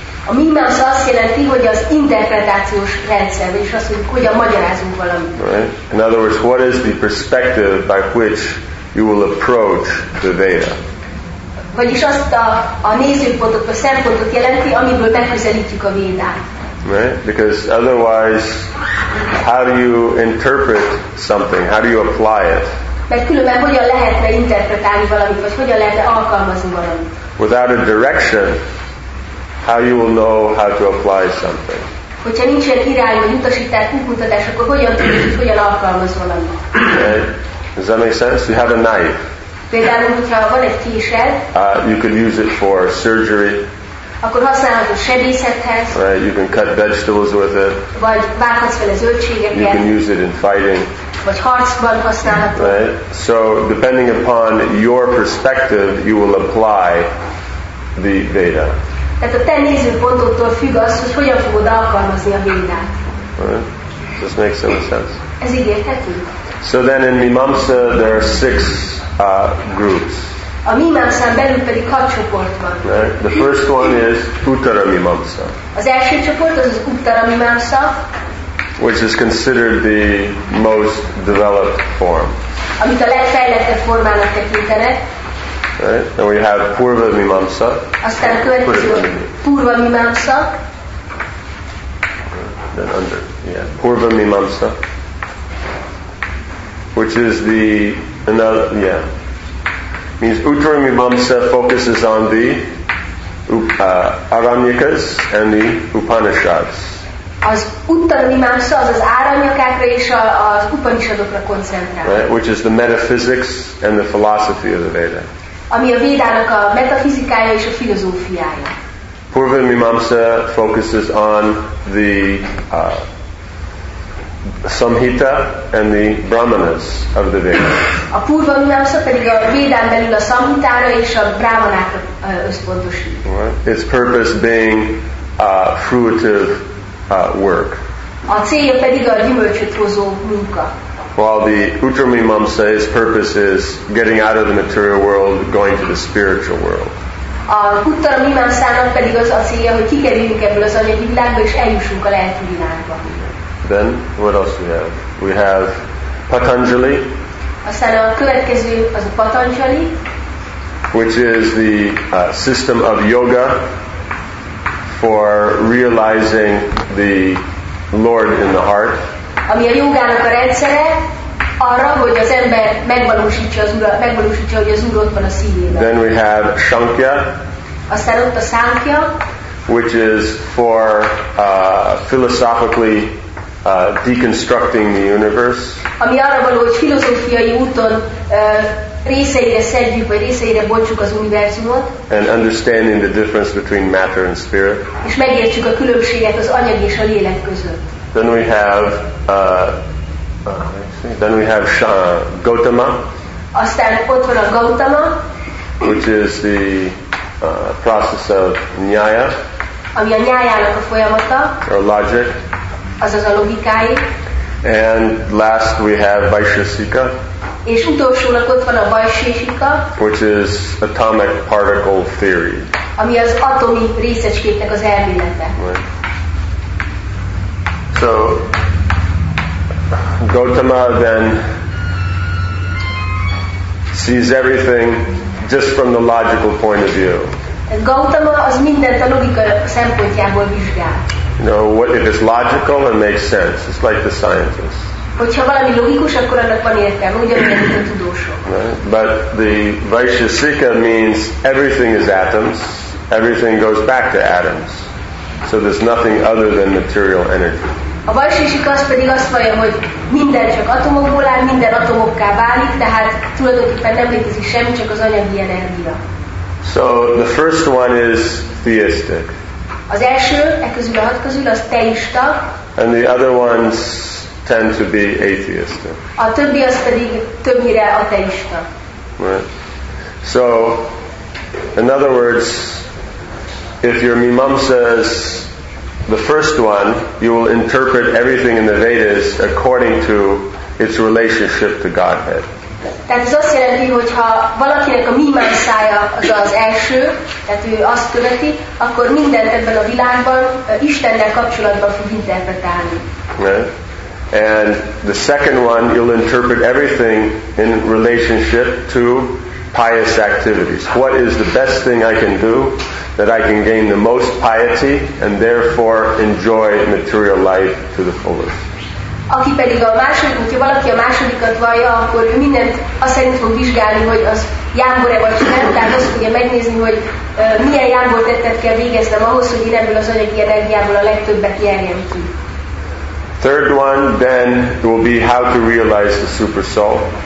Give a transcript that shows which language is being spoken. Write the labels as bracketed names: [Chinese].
[Hungarian] A Mimamsa azt jelenti, hogy az interpretációs rendszer, vagyis az, hogyan magyarázunk valamit. [English] Right? In other words, what is the perspective by which you will approach the Veda? [Hungarian] Vagyis azt a nézőpontot, a szempontot jelenti, amiből megközelítjük a Védát. [English] Right? Because otherwise, how do you interpret something? How do you apply it? [Hungarian] Mert különben hogyan lehetne interpretálni valamit, vagy hogyan lehetne alkalmazni valamit? [English] Without a direction, how you will know how to apply something? [Hungarian] Hogyha nincsen irány, vagy utasítás, útmutatás, akkor hogyan tudod, hogy hogyan alkalmaz valamit? [English] Okay. Does that make sense? You have a knife. [Hungarian] Például, hogyha van egy késed, [English] You could use it for surgery. [Hungarian] Akkor használhatod sebészethez. [English] Right, you can cut vegetables with it. [Hungarian] Vagy vághatsz vele zöldségeket. [English] You can use it in fighting. [Hungarian] Vagy harcban használhatod. [English] Right, so depending upon your perspective, you will apply the Veda. [Hungarian] Tehát a te nézőpontodtól függ az, hogy hogyan fogod alkalmazni a Védát. [English] Right, this makes some sense. [Hungarian] Ez így érthető? [English] So then in Mimamsa there are six groups. [Hungarian] A Mimamsán belül pedig hat csoport van. [English] Right. The first one is Uttara Mimamsa. [Hungarian] Az első csoport az Uttara Mimamsa, [English] which is considered the most developed form. [Hungarian] Amit a legfejlettebb formának tekintenek. [English] Right. And we have Purva Mimamsa. [Hungarian] Aztán a következő Purva Mimamsa. [English] Then under, yeah, Purva Mimamsa, which is the another, yeah. Means Uttara Mimamsa focuses on the Aranyakas and the Upanishads. [Hungarian] Az Uttara Mimamsa az Aranyakákra és az Upanishadokra koncentrál. [English] Right, which is the metaphysics and the philosophy of the Veda. [Hungarian] Ami a Védának a metafizikája és a filozófiája. [English] Purva Mimamsa focuses on the Samhita and the Brahmanas of the Veda. [Hungarian] A Purva Mimamsa pedig a Védán belül a Samhitára és a Brahmanákra összpontosít. [English] Right. Its purpose being fruitive work. [Hungarian] A célja pedig a gyümölcsöt hozó munka. [English] While the Uttara Mimamsa, its purpose is getting out of the material world, going to the spiritual world. [Hungarian] A Uttara Mimamsának pedig az a célja, hogy kikerüljünk ebből az anyagi világba és eljussunk a lelki világba. [English] Then what else we have? We have Patanjali. [Hungarian] Aztán a következő az a Patanjali, [English] which is the system of yoga for realizing the Lord in the heart. [Hungarian] Ami a jogának a rendszere arra, hogy az ember megvalósítja, hogy az Úr ott van a szívében. [English] Then we have Shankhya. [Hungarian] Aztán ott a Shankhya, [English] which is for philosophically deconstructing the universe. [Hungarian] Ami arra való, hogy filozófiai úton részeire szedjük, vagy részeire bontsuk az univerzumot. [English] And understanding the difference between matter and spirit. [Hungarian] És megértsük a különbséget az anyag és a lélek között. [English] Then we have Gautama. [Hungarian] Aztán ott van a Gautama, [English] which is the process of nyaya. [Hungarian] Ami a nyájának a folyamata. [English] Or logic. [Hungarian] Azaz a logikái. [English] And last we have Vaisheshika. [Hungarian] És utolsónak ott van a Vaisheshika, [English] which is atomic particle theory. [Hungarian] Ami az atomi részecskéknek az elmélete. [English] Right. So Gautama then sees everything just from the logical point of view. [Hungarian] Gautama az mindent a logika szempontjából vizsgál. [English] No, what if it's logical and makes sense? It's like the scientist. [Hungarian] Hogyha valami logikus, akkor annak van értelme, ugyanúgy a tudósok. [English] But the Vaisheshika means everything is atoms, everything goes back to atoms. So there's nothing other than material energy. [Hungarian] A Vaisheshika azt pedig azt mondja, hogy minden csak atomokból áll, minden atomokká válik, tehát tulajdonképpen nem létezik semmi, csak az anyagi energia. [English] So the first one is theistic. [Hungarian] Az első, e közül a hat közül, az teista. [English] And the other ones tend to be atheistic. [Hungarian] A többi az pedig többnyire ateista. [English] Right. So, in other words, if your imam says the first one, you will interpret everything in the Vedas according to its relationship to Godhead. [Hungarian] Tehát ez azt jelenti, hogy ha valakinek a imám szája az az első, tehát ő azt követi, akkor mindent ebben a világban Istennel kapcsolatban fog interpretálni. [English] Right. And the second one, you'll interpret everything in relationship to pious activities. What is the best thing I can do that I can gain the most piety and therefore enjoy material life to the fullest? [Hungarian] Aki pedig a második, hogyha valaki a másodikat vallja, akkor ő mindent azt szerint fog vizsgálni, hogy az jámbor-e vagy sem, tehát azt fogja megnézni, hogy milyen jámbor tettet kell végeznem ahhoz, hogy én ebből az anyagi energiából a legtöbbet nyerjem ki. [English] Third one then will be how to realize the super soul.